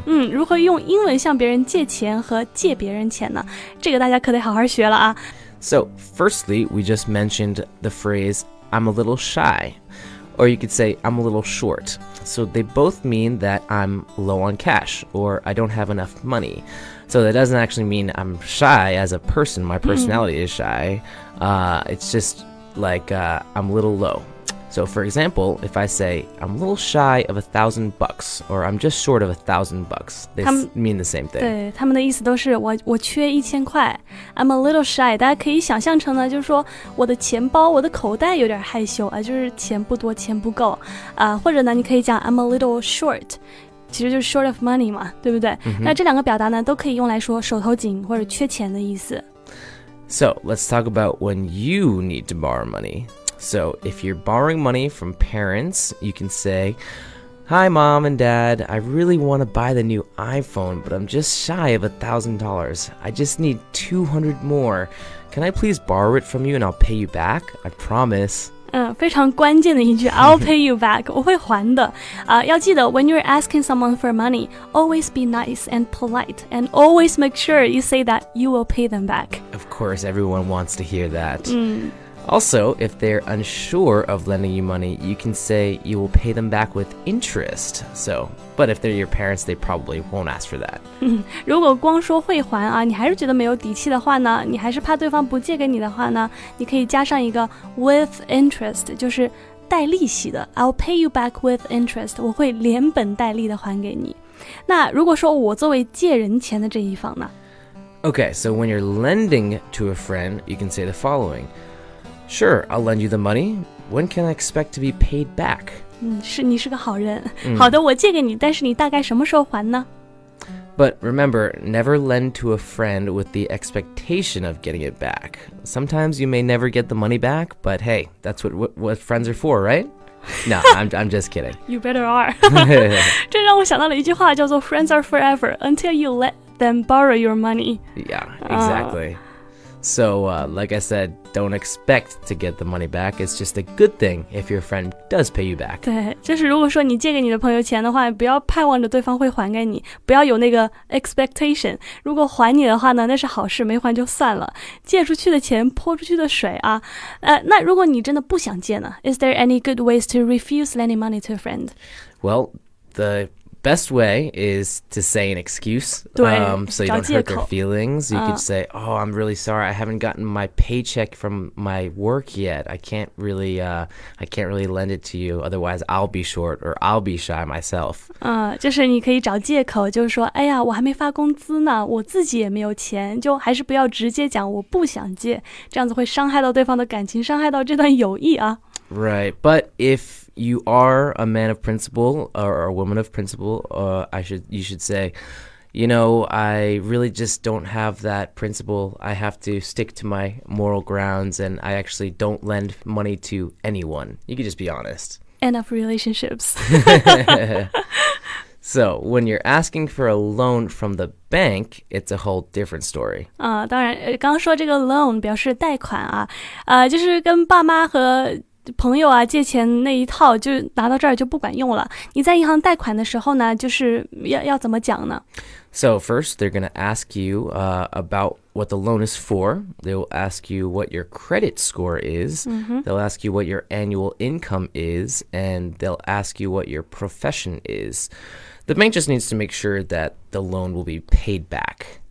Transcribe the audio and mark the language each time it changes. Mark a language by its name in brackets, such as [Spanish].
[Chinese] 如何用英文向别人借钱和借别人钱呢？这个大家可得好好学了啊。 [English] So, firstly, we just mentioned the phrase... I'm a little shy, or you could say I'm a little short. So they both mean that I'm low on cash or I don't have enough money. So that doesn't actually mean I'm shy as a person. My personality is shy. It's just like I'm a little low. So for example, if I say I'm a little shy of $1,000 or I'm just short of $1,000, they mean the same thing. [Chinese] 对，他们的意思都是我缺一千块。 [English] I'm a little shy. [Chinese] 大家可以想象成呢，就是说我的钱包、我的口袋有点害羞啊，就是钱不多、钱不够啊。或者呢，你可以讲 [English] I'm a little short， [Chinese] 其实就是 [English] short of money [Chinese] 嘛，对不对？那这两个表达呢，都可以用来说手头紧或者缺钱的意思。 [English] So let's talk about when you need to borrow money. So, if you're borrowing money from parents, you can say, Hi, Mom and Dad, I really want to buy the new iPhone, but I'm just shy of $1,000. I just need 200 more. Can I please borrow it from you and I'll pay you back? I promise. [Chinese] 非常关键的一句 [English] I'll pay you back. [Chinese] 我会还的。要记得 [English] when you're asking someone for money, always be nice and polite, and always make sure you say that you will pay them back. Of course, everyone wants to hear that. Also, if they're unsure of lending you money, you can say you will pay them back with interest. So, but if they're your parents, they probably won't ask for that. [Chinese] 如果光说会还啊，你还是觉得没有底气的话呢，你还是怕对方不借给你的话呢，你可以加上一个 [English] with interest, [Chinese] 就是带利息的。 [English] I'll pay you back with interest. [Chinese] 我会连本带利的还给你。那如果说我作为借人钱的这一方呢？ [English] Okay, so when you're lending to a friend, you can say the following. Sure, I'll lend you the money. When can I expect to be paid back? [Chinese] 你是个好人。好的，我借给你，但是你大概什么时候还呢？ [English] But remember, never lend to a friend with the expectation of getting it back. Sometimes you may never get the money back, but hey, that's what friends are for, right? No, I'm just kidding. You better are. [Chinese] 这让我想到了一句话，叫做 [English] Friends are forever until you let them borrow your money. Yeah, exactly. So, like I said, don't expect to get the money back. It's just a good thing if your friend does pay you back. [Chinese] 对，就是如果说你借给你的朋友钱的话，不要盼望着对方会还给你，不要有那个 expectation. 如果还你的话呢，那是好事，没还就算了。借出去的钱，泼出去的水啊。那如果你真的不想借呢？ [English] Is there any good ways to refuse lending money to a friend? Well, the... best way is to say an excuse, so you don't hurt their feelings. You could say, oh, I'm really sorry. I haven't gotten my paycheck from my work yet. I can't really lend it to you. Otherwise, I'll be short or I'll be shy myself. [Chinese] 就是你可以找借口，就是说，哎呀，我还没发工资呢，我自己也没有钱，就还是不要直接讲我不想借，这样子会伤害到对方的感情，伤害到这段友谊啊。 [English] Right, but if you are a man of principle or a woman of principle, you should say, you know, I really just don't have that principle. I have to stick to my moral grounds and I actually don't lend money to anyone. You could just be honest. End of relationships. So, when you're asking for a loan from the bank, it's a whole different story. [Chinese] 当然，刚说这个 loan 表示贷款啊，就是跟爸妈和朋友啊借钱那一套就拿到这儿就不管用了。你在银行贷款的时候呢就是 要怎么讲呢 [English] So first, they're going to ask you about what the loan is for. They will ask you what your credit score is.、 Mm-hmm. They'll ask you what your annual income is. And they'll ask you what your profession is. The bank just needs to make sure that the loan will be paid back.